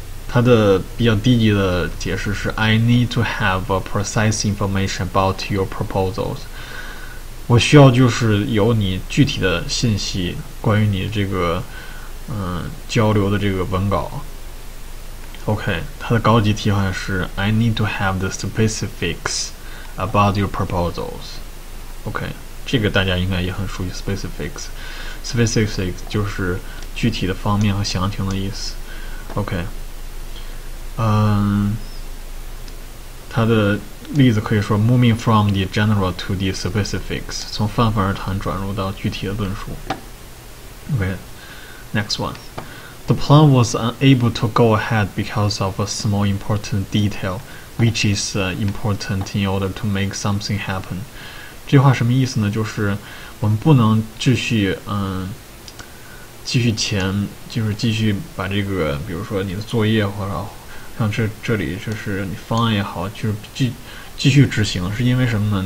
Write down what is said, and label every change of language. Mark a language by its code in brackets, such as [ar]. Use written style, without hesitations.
[en] 它的比较低级的解释是 "I need to have a precise information about your proposals." [zh] 我需要就是有你具体的信息，关于你这个交流的这个文稿。 [en] OK，它的高级替换是 "I need to have the specifics about your proposals." [zh] OK，这个大家应该也很熟悉 specifics 就是具体的方面和详情的意思。OK。它的例子可以说 moving from the general to the specifics，从泛泛而谈转入到具体的论述。 [en] Okay, next one. The plan was unable to go ahead because of a small important detail, which is important in order to make something happen. [zh] 这句话什么意思呢？就是我们不能继续继续把这个，比如说你的作业或者像这里就是你方案也好，就是继续执行，是因为什么呢？